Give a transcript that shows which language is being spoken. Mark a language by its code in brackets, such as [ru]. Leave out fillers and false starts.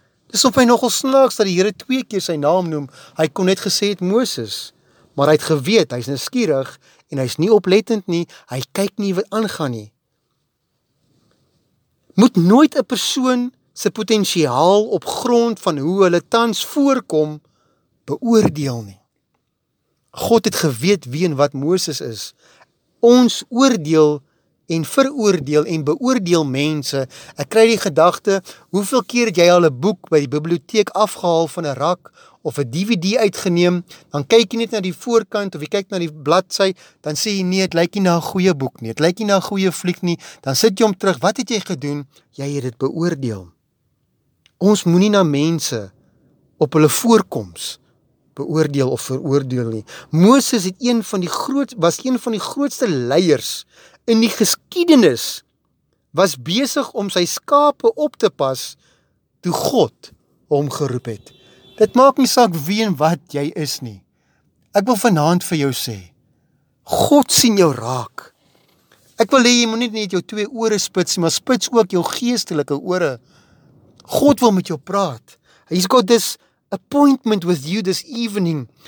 [af] Dis of hy nogal snaaks dat die Here twee keer sy naam noem, hy kon net gesê het Moses, maar hy het geweet, hy is nuuskierig en hy is nie oplettend nie, hy kyk nie wat aangaan nie. Moet nooit 'n persoon sy potensiaal op grond van hoe hulle tans voorkom beoordeel nie. God het geweet wie en wat Moses is. Ons oordeel en veroordeel en beoordeel mense. Ek kry die gedagte, hoeveel keer het jy al 'n boek by die biblioteek afgehaal van 'n rak of 'n DVD uitgeneem, dan kyk jy net na die voorkant of jy kyk na die bladsy, dan sê jy nee, het lyk nie na 'n goeie boek nie, het lyk nie na 'n goeie fliek nie, dan sit jy hom terug, wat het jy gedoen? Jy het dit beoordeel. Ons moenie na mense op hulle voorkoms beoordeel of veroordeel nie. Moses het was een van die grootste leiers in die geskiedenis, was besig om sy skape op te pas toe God hom geroep het. Dit maak nie saak wie en wat jy is nie. Ek wil vanaand vir jou sê, God sien jou raak. Ek wil hê jy moet nie net jou twee ore spits, maar spits ook jou geestelike ore. God wil met jou praat. [en] He's got this appointment with you this evening.